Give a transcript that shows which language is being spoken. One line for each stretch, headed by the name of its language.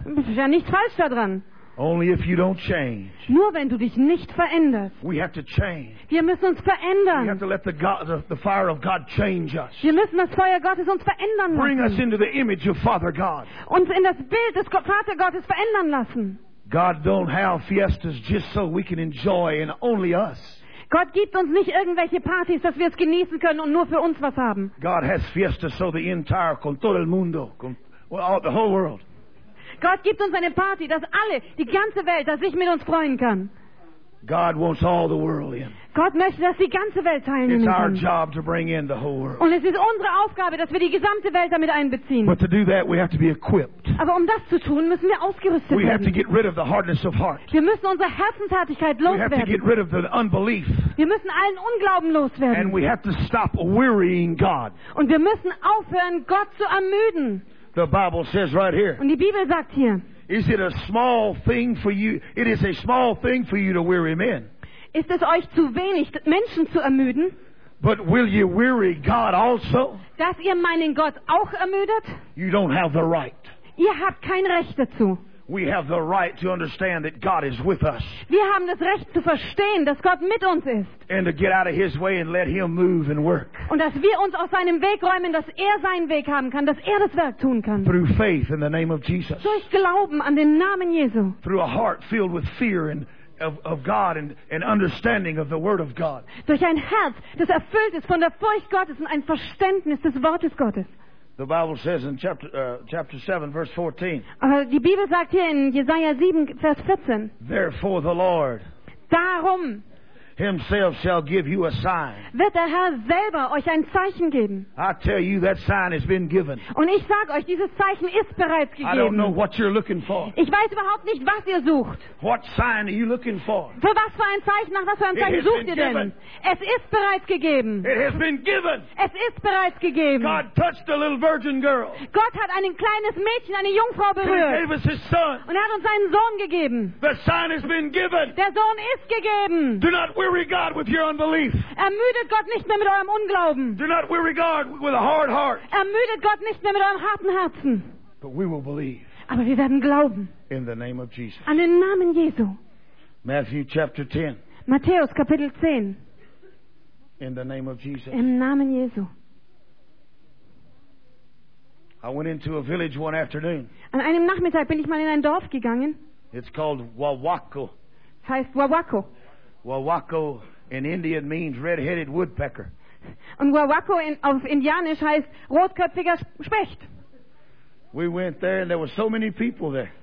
German: Es ist ja nichts falsch daran.
English: Only if you don't change.
German: Nur wenn du dich nicht veränderst.
English: We have to change.
German: Wir müssen uns verändern.
English: We have to let the fire of God change us.
German: Wir müssen das Feuer Gottes uns verändern lassen.
English: Bring us into the image of Father God.
German: Uns in das Bild des Vater Gottes verändern lassen.
English: God don't have fiestas just so we can enjoy and only us.
German: Gott gibt uns nicht irgendwelche Partys, dass wir es genießen können und nur für uns was haben.
English: God has fiestas so the entire
Spanish: con todo el mundo, con
English: all the whole world.
German: Gott gibt uns eine Party, dass alle, die ganze Welt, dass sich mit uns freuen kann.
English: God wants all the world in.
German: Gott möchte, dass die ganze Welt teilnehmen kann.
English: It's our job to bring in the whole world.
German: Und es ist unsere Aufgabe, dass wir die gesamte Welt damit einbeziehen.
English: But to do that, we have to be equipped.
German: Aber um das zu tun, müssen wir ausgerüstet werden.
English: We have to get rid of the hardness of heart.
German: Wir müssen unsere Herzenshärtigkeit loswerden.
English: We have to get rid of the unbelief.
German: Wir müssen allen Unglauben loswerden.
English: And we have to stop wearying God.
German: Und wir müssen aufhören, Gott zu ermüden.
English: The Bible says right here.
German: Und die Bibel sagt hier.
English: Is it a small thing for you? It is a small thing for you to weary men.
German: Ist es euch zu wenig, Menschen zu ermüden?
English: But will you weary God also?
German: Dass ihr meinen Gott auch ermüdet?
English: You don't have the right.
German: Ihr habt kein Recht dazu.
English: We have the right to understand that God is with us.
German: Wir haben das Recht zu verstehen, dass Gott mit uns ist.
English: And to get out of His way and let Him move and work.
German: Und dass wir uns aus seinem Weg räumen, dass er seinen Weg haben kann, dass er das Werk tun kann.
English: Through faith in the name of Jesus.
German: Durch Glauben an den Namen Jesu.
English: Through a heart filled with fear and of God and understanding of the Word of God.
German: Durch ein Herz, das erfüllt ist von der Furcht Gottes und ein Verständnis des Wortes Gottes.
English: The Bible says in chapter 7, verse 14.
German: Aber die Bibel sagt hier in Jesaja 7, Vers 14.
English: Therefore the Lord
German: darum
English: himself shall give you a sign.
German: Wird der Herr selber euch ein Zeichen geben.
English: I tell you that sign has been given.
German: Und ich sage euch, dieses Zeichen ist bereits gegeben.
English: I don't know what you're looking for.
German: Ich weiß überhaupt nicht, was ihr sucht.
English: What sign are you looking for?
German: Für was für ein Zeichen, nach was für ein Zeichen sucht ihr denn? Es ist bereits gegeben.
English: It has been given.
German: Es ist bereits gegeben.
English: God touched a little virgin girl.
German: Gott hat ein kleines Mädchen, eine Jungfrau berührt.
English: He gave us his son.
German: Und er hat uns seinen Sohn gegeben.
English: The sign has been given.
German: Der Sohn ist gegeben.
English: Do not weary God with your unbelief.
German: Ermüdet Gott nicht mehr mit eurem Unglauben.
English: Do not weary God with a hard heart.
German: Ermüdet Gott nicht mehr mit eurem harten Herzen.
English: But we will believe.
German: Aber wir werden glauben.
English: In the name of Jesus.
German: An den Namen Jesu.
English: Matthew chapter 10.
German: Matthäus Kapitel 10.
English: In the name of Jesus.
German: Im Namen Jesu.
English: I went into a village one afternoon.
German: An einem Nachmittag bin ich mal in ein Dorf gegangen.
English: It's called Wawako.
German: Es heißt Wawako.
English: Wawako in Indian means red-headed woodpecker.
German: Und Wawako auf Indianisch heißt rotköpfiger Specht.
English: We went there and there were so many people there.